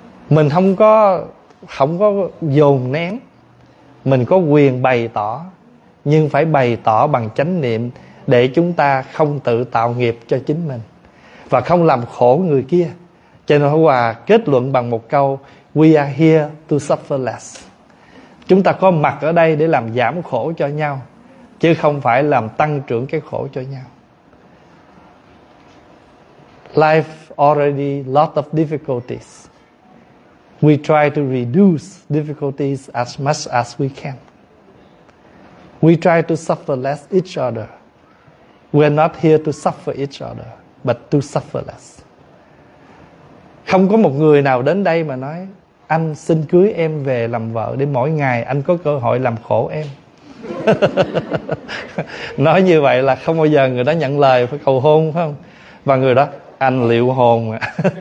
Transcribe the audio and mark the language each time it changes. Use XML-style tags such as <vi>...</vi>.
<vi>Mình không có dồn nén. Mình có quyền bày tỏ, nhưng phải bày tỏ bằng chánh niệm để chúng ta không tự tạo nghiệp cho chính mình và không làm khổ người kia. Cho nên hôm qua kết luận bằng một câu:</vi> <en>We are here to suffer less.</en> <vi>Chúng ta có mặt ở đây để làm giảm khổ cho nhau, chứ không phải làm tăng trưởng cái khổ cho nhau.</vi> <en>Life already lot of difficulties. We try to reduce difficulties as much as we can. We try to suffer less each other. We're not here to suffer each other, but to suffer less.</en> <vi>Không có một người nào đến đây mà nói: anh xin cưới em về làm vợ để mỗi ngày anh có cơ hội làm khổ em. Nói như vậy là không bao giờ người đó nhận lời phải cầu hôn, phải không? Và người đó: anh liệu hồn à?</vi>